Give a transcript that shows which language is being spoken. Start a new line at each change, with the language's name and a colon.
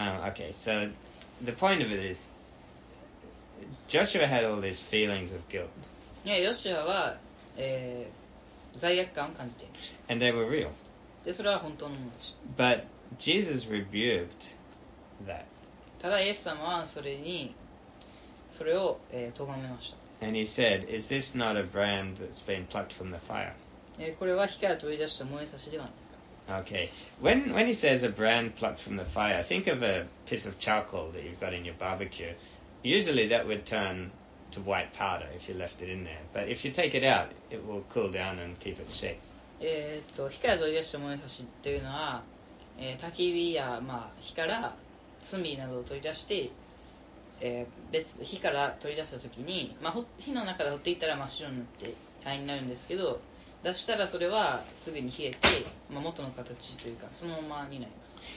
English: Okay, so the point of it is Joshua had all these feelings of guilt.
Japanese: Yeah, Joshua は罪悪感を感じて。
English: And they were real.
Japanese: でそれは本当のものです。
English: But Jesus rebuked that.
Japanese: ただイエス様はそれを、咎めました。
English: And he said, "Is this not a brand that's been plucked from the fire?"
Japanese: これは火から取り出した燃え差しではないか。
English: Okay. When he says a brand plucked from the fire, think of a piece of charcoal that you've got in your barbecue. Usually that would turn to white powder if you left it in there. But if you take it out, it will cool down and keep its shape.
Japanese: 火から取り出した燃え差しというのは、焚き火や、まあ、火から炭などを取り出して、別火から取り出したときに、まあ、火の中で掘っていったら真っ白になって灰になるんですけど、出したらそれはすぐに冷えて、まあ、元の形というかそのままになります。